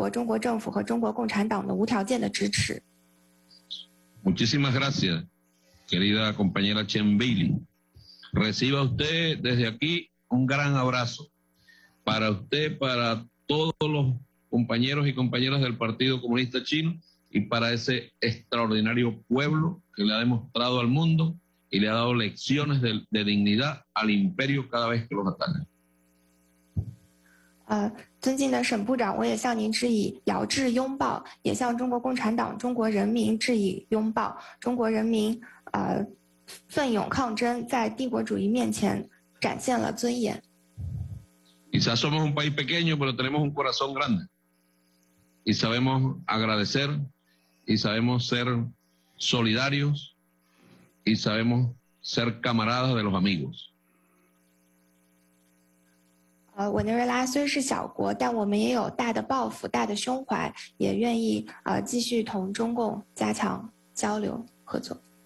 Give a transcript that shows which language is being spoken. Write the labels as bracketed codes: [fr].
[zh] 我们之所以有底气说我们永远不会屈服，永远会继续抗争，是因为我们一直以来都受到来自中国、中国政府和中国共产党的无条件的支持。 [es] Muchísimas gracias, querida compañera Chen Bailey. Reciba usted desde aquí un gran abrazo para usted, para todos los compañeros y compañeras del Partido Comunista Chino y para ese extraordinario pueblo que le ha demostrado al mundo y le ha dado lecciones de dignidad al imperio cada vez que los ataca. [zh] 尊敬的沈部长，我也向您致以遥致拥抱，也向中国共产党、中国人民致以拥抱。中国人民奋勇抗争，在帝国主义面前展现了尊严。 [es] Quizás somos un país pequeño, pero tenemos un corazón grande. Y sabemos agradecer, y sabemos ser solidarios, y sabemos ser camaradas de los amigos. [zh] 委内瑞拉虽是小国，但我们也有大的抱负、大的胸怀，也愿意继续同中共加强交流合作。